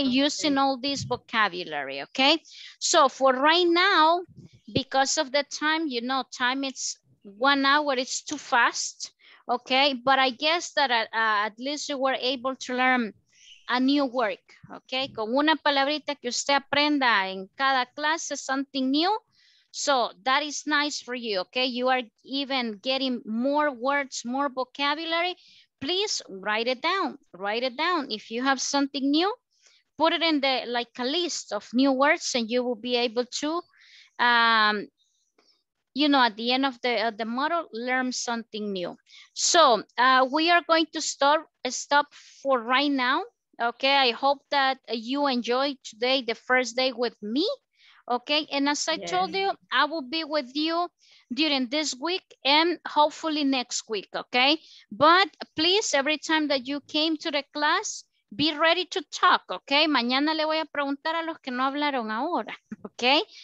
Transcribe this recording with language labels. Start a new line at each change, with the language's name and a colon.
English: Using all this vocabulary, okay? So for right now, because of the time, you know, time it's 1 hour, it's too fast, okay? But I guess that at least you were able to learn a new word, okay?
Spanish: Con una palabrita que usted aprenda en cada clase,
English: something new. So that is nice for you, okay? You are even getting more words, more vocabulary. Please write it down, write it down. If you have something new, put it in the, like a list of new words and you will be able to, you know, at the end of the model, learn something new. So we are going to stop for right now. Okay, I hope that you enjoyed today, the first day with me. Okay, and as I told you, I will be with you during this week and hopefully next week, okay? But please, every time that you came to the class, be ready to talk, okay?
Spanish: Mañana le voy a preguntar a los que no hablaron ahora, okay?